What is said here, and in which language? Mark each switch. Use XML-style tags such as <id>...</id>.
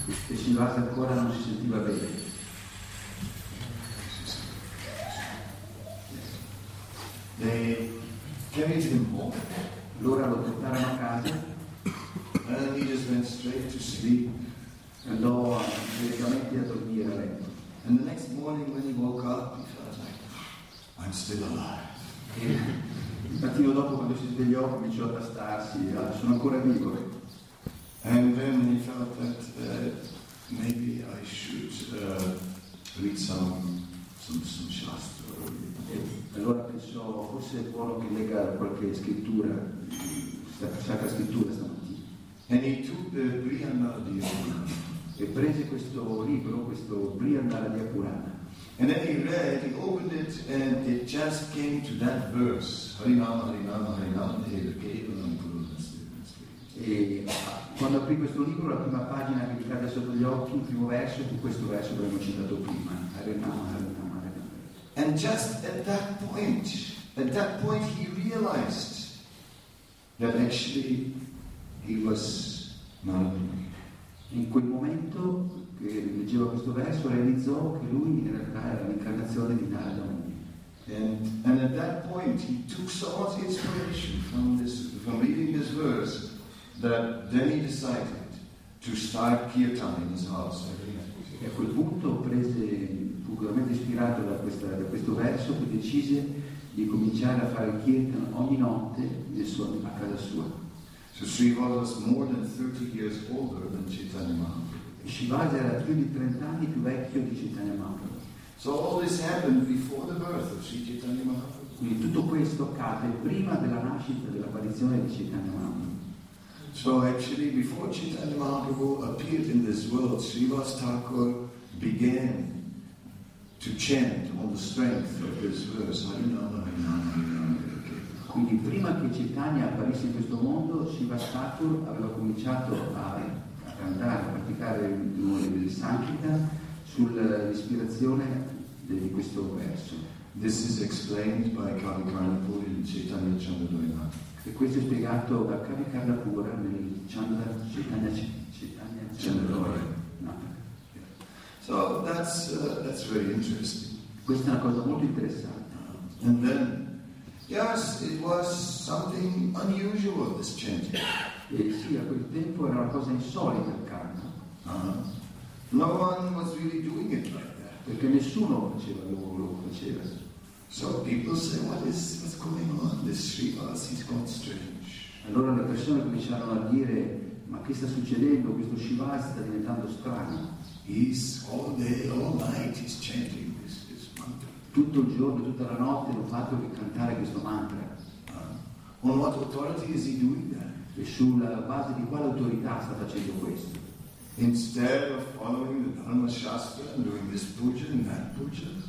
<it>E Srinivas ancora non si sentiva bene.</it> <en>They carried him home.</en> <it>Loro lo portarono a casa.</it> <en>And he just went straight to sleep.</en> <it>Andò direttamente a dormire a letto.</it> <en>And the next morning when he woke up, he felt like, "I'm still alive."</en> <it>Il mattino dopo quando si svegliò cominciò a tastarsi, sono ancora vivo.</it> <en>And then he felt that maybe I should read some shastra.</en> <it>Allora pensò, forse è buono che legga qualche scrittura. Sacra Scrittura stamattina.</it> <en>And he took the Brihadaranyaka Purana.</en> <it>E prese questo libro, questo Brihadaranyaka Purana.</it> <en>And then he read, he opened it, and it just came to that verse.</en> <sa>Harinama, Harinama, Harinama, Harinama, Harinama.</sa> <it>E quando aprì questo libro, la prima pagina che mi cadde sotto gli occhi, il primo verso, fu questo verso che abbiamo citato prima.</it> <sa>Harinama, Harinama, Harinama.</sa> <en>And just at that point he realized that actually he was Manabhumi.</en> <it>In quel momento che leggeva questo verso realizzò che lui in realtà era l'incarnazione di Narada Muni.</it> <en>And at that point he took so much inspiration from reading this verse that then he decided to start kirtan in his house every night.</en> <it>E a quel punto prese puramente ispirato da questo verso che decise di cominciare a fare kirtan ogni notte a casa sua.</it> <en>So Srivaz was more than 30 years older than Chaitanya Mahaprabhu.</en> <it>Srivaz era più di 30 anni più vecchio di Chaitanya Mahaprabhu.</it> <en>So all this happened before the birth of Sri Chaitanya Mahaprabhu.</en> <it>Quindi tutto questo accade prima della nascita, dell'apparizione di Chaitanya Mahaprabhu.</it> <en>So actually before Chaitanya Mahaprabhu appeared in this world, Srivaz Thakur began to chant on the strength of this verse.</en> <sa>Harinama, Harinama, Harinama.</sa> <it>Quindi prima che Chaitanya apparisse in questo mondo, Srivaz Thakur aveva cominciato a cantare, a praticare il Sankirtan sull'ispirazione di questo verso.</it> <en>This is explained by Kavi Karnapur in Chaitanya Chandodoyanata.</en> <it>E questo è spiegato da Kavi Karnapur nel Chaitanya Chandodoyanata.</it> <en>So that's very interesting.</en> <it>Questa è una cosa molto interessante.</it> <en>And then, yes, it was something unusual, this chanting.</en> <it>E sì, a quel tempo era una cosa insolita il canto.</it> <en>No one was really doing it like that.</en> <it>Perché nessuno faceva lo faceva.</it> <en>So people say, what's going on? This Srivaz, he's gone strange.</en> <it>Allora le persone cominciarono a dire, ma che sta succedendo? Questo Srivaz sta diventando strano.</it> <en>He's all day, all night, he's chanting.</en> <it>Tutto il giorno, tutta la notte, non fatto che cantare questo mantra.</it> <en>On what authority is he doing that?</en> <it>E sulla base di quale autorità sta facendo questo?</it> <en>Instead of following the Dharma Shastra and doing this puja and that puja.</en>